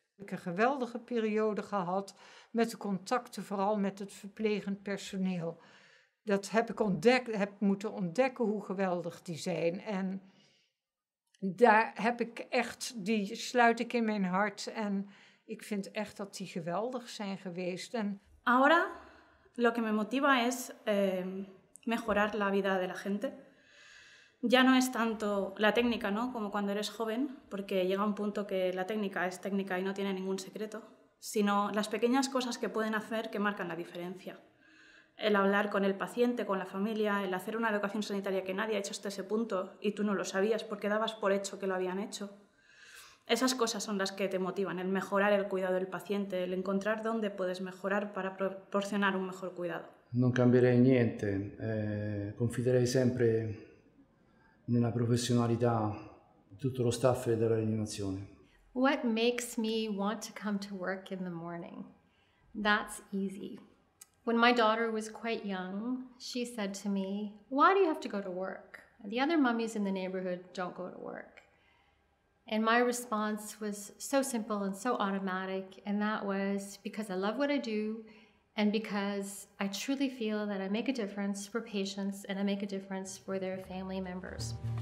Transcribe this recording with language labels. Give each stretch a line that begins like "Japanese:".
Dutch: Ik heb een geweldige periode gehad met de contacten, vooral met het verplegend personeel. Dat heb ik ontdekt, heb moeten ontdekken hoe geweldig die zijn. En daar heb ik echt, die sluit ik in mijn hart. En ik vind echt dat die geweldig zijn geweest. En
Spanish: ahora, lo que me motiva es mejorar la vida de la gente. Ya no es tanto la técnica, ¿no? Como cuando eres joven, porque llega un punto que la técnica es técnica y no tiene ningún secreto, sino las pequeñas cosas que pueden hacer que marcan la diferencia. El hablar con el paciente, con la familia, el hacer una educación sanitaria que nadie ha hecho hasta ese punto y tú no lo sabías porque dabas por hecho que lo habían hecho. Esas cosas son las que te motivan, el mejorar el cuidado del paciente, el encontrar dónde puedes mejorar para proporcionar un mejor cuidado.
Italian: No cambiaré niente, confidaré siempre nella professionalità di tutto lo staff e della rianimazione.
English: What makes me want to come to work in the morning? That's easy. When my daughter was quite young, she said to me, "Why do you have to go to work? The other mummies in the neighborhood don't go to work." And my response was so simple and so automatic, and that was because I love what I do and because I truly feel that I make a difference for patients and I make a difference for their family members.